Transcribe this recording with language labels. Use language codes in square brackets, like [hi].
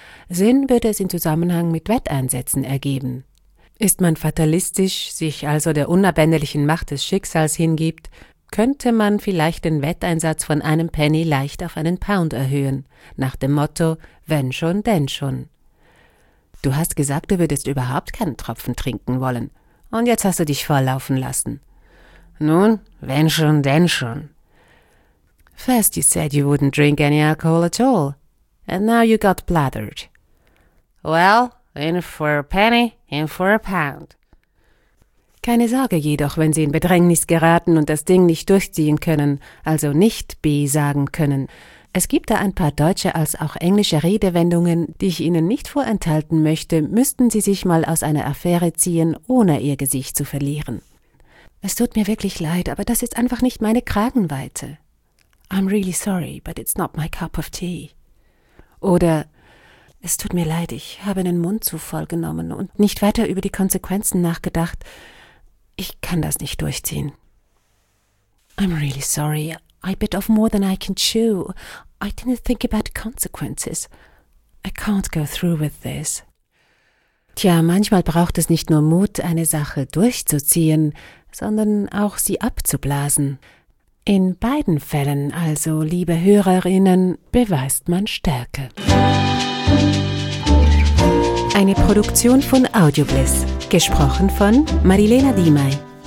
[de] Sinn würde es im Zusammenhang mit Wetteinsätzen ergeben. Ist man fatalistisch, sich also der unabänderlichen Macht des Schicksals hingibt, könnte man vielleicht den Wetteinsatz von einem Penny leicht auf einen Pound erhöhen, nach dem Motto, wenn schon, denn schon. Du hast gesagt, du würdest überhaupt keinen Tropfen trinken wollen. Und jetzt hast du dich volllaufen lassen. Nun, wenn schon, denn schon. [en] First you said you wouldn't drink any alcohol at all. And now you got blathered. Well, in for a penny, in for a pound. [de] Keine Sorge jedoch, wenn Sie in Bedrängnis geraten und das Ding nicht durchziehen können, also nicht B sagen können. Es gibt da ein paar deutsche als auch englische Redewendungen, die ich Ihnen nicht vorenthalten möchte, müssten Sie sich mal aus einer Affäre ziehen, ohne Ihr Gesicht zu verlieren. Es tut mir wirklich leid, aber das ist einfach nicht meine Kragenweite. [en] I'm really sorry, but it's not my cup of tea. [de] Oder, es tut mir leid, ich habe den Mund zu voll genommen und nicht weiter über die Konsequenzen nachgedacht. Ich kann das nicht durchziehen. [en] I'm really sorry. I bit off more than I can chew. I didn't think about consequences. I can't go through with this. [de] Tja, manchmal braucht es nicht nur Mut, eine Sache durchzuziehen, sondern auch sie abzublasen. In beiden Fällen also, liebe Hörerinnen, beweist man Stärke. Eine Produktion von Audiobliss. Gesprochen von Marilena Diemey.